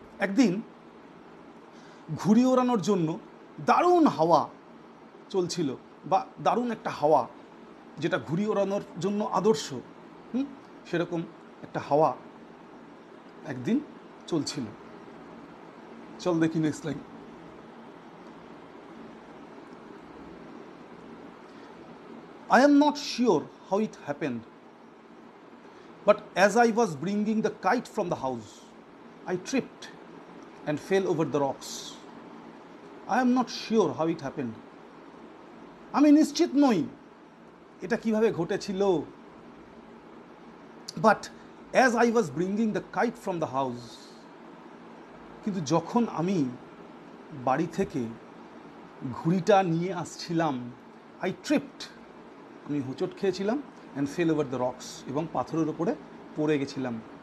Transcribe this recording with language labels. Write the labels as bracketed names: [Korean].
[Bangla] একদিন ঘুড়ি ওড়ানোর জন্য দারুণ হাওয়া চলছিল, বা দারুণ একটা হাওয়া যেটা ঘুড়ি ওড়ানোর জন্য আদর্শ, সেরকম একটা হাওয়া একদিন চলছিল। চল দেখি [English] Next line, I am not sure how it happened But as I was bringing the kite from the house, I tripped and fell over the rocks. I am not sure how it happened. [Bangla] আমি নিশ্চিত নই এটা কিভাবে ঘটেছিল, [English] but as I was bringing the kite from the house, [Bangla] কিন্তু যখন আমি বাড়ি থেকে ঘুড়িটা নিয়ে আসছিলাম, [English] I tripped, [Bangla] আমি হোঁচট খেয়েছিলাম [English] and fell over the rocks, [Bangla] এবং পাথরের উপরে পড়ে গেছিলাম।